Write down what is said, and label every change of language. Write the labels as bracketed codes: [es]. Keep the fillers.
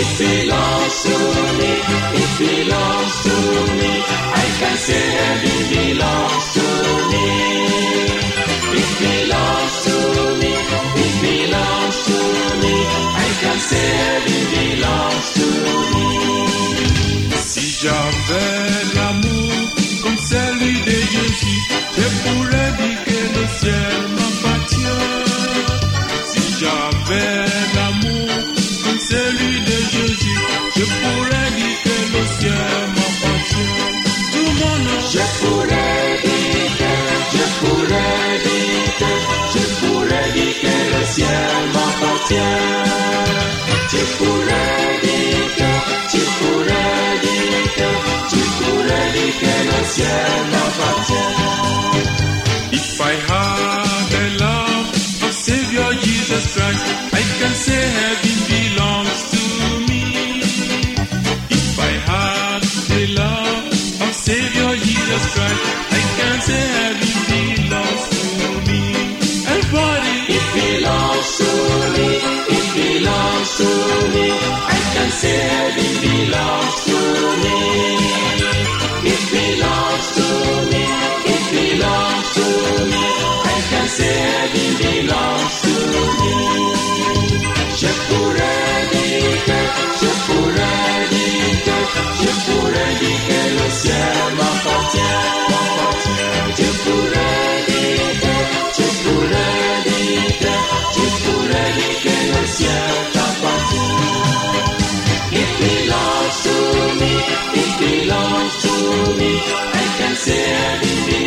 [en] It belongs to me, it belongs to me. I can say it belongs to me. It belongs to me, it belongs to me. I can say it belongs to me. [fr] Si j'avais l'amour comme celui de Jésus, je pourrais dire que le ciel m'appartient. Si j'avais l'amour comme celui de Jésus, je pourrais dire que le ciel m'appartient. Tout mon nom, Je pourrais dire que, je pourrais dire que, je pourrais dire que le ciel m'appartient. Tu pourrais dire que, tu pourrais dire que, tu pourrais dire que le ciel m'appartient. [en] If I had the love of Savior Jesus Christ, I can say heaven belongs to me. If I had the love of Savior Jesus Christ, I can say heaven belongs to me. Everybody, It belongs to me, it belongs to me. I can say it belongs to me. It belongs to me, it belongs to me. I can say it belongs to me. [fr] Je pourrais dire que, je pourrais dire que, je pourrais dire que le ciel m'appartient. Je pourrais dire que, je pourrais dire que, je pourrais dire que le ciel t'appartient. [en] It belongs to me, it belongs to me. I can say it